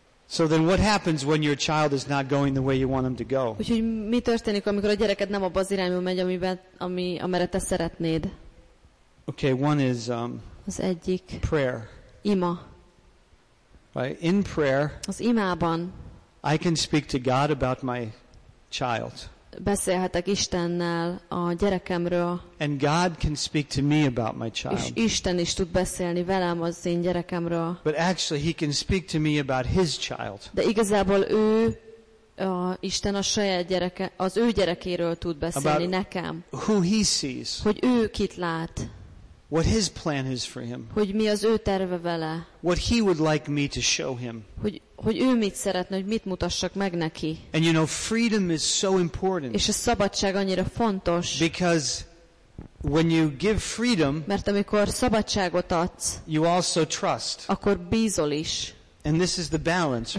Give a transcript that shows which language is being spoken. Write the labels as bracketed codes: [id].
[en] So then what happens when your child is not going the way you want him to go? [hu] Úgyhogy mi történik, amikor a gyereked nem abba az irányba megy, amire te szeretnéd? [en] Okay, one is [hu] az egyik [en] prayer. [hu] Ima. [en] Right? In prayer, [hu] az imában [en] I can speak to God about my child. [hu] Beszélhetek Istennel a gyerekemről. [en] And God can speak to me about my child. [hu] És Isten is tud beszélni velem az én gyerekemről. [en] But actually he can speak to me about his child. [hu] De igazából ő Isten a saját gyereke, az ő gyerekéről tud beszélni [en] about [hu] nekem. [en] Who he sees. [hu] Hogy ő kit lát. [en] What his plan is for him. [hu] Hogy mi az ő terve vele. [en] What he would like me to show him. [hu] Hogy ő mit szeretne, hogy mit mutassak meg neki. [en] And you know, freedom is so important. [hu] És a szabadság annyira fontos. [en] Because when you give freedom, [hu] mert amikor szabadságot adsz, [en] you also trust. [hu] Akkor bízol is. [en] And this is the balance,